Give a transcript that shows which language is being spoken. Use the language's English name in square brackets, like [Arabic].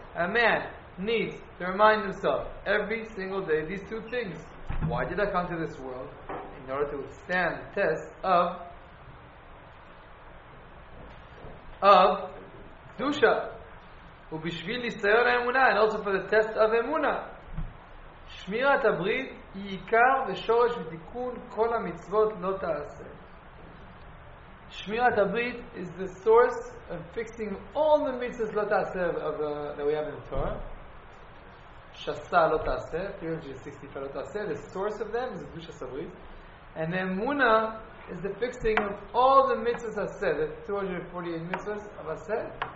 [English] A man needs to remind himself every single day these two things. Why did I come to this world? In order to withstand the test of Kedusha, [Hebrew] ובשביל ניסיון האמונה, [English] and also for the test of אמונה. [Hebrew] שמירת הברית היא עיקר ושורש ותיקון כל המצוות לא תעשה. [English] שמירת הברית is the source of fixing all the mitzvot לא תעשה that we have in the Torah. [Hebrew] שסה לא תעשה, 365 לא תעשה, [English] the source of them is Kedusha Sabrit. And then Muna is the fixing of all the mitzvahs I said, the 248 mitzvahs of I said.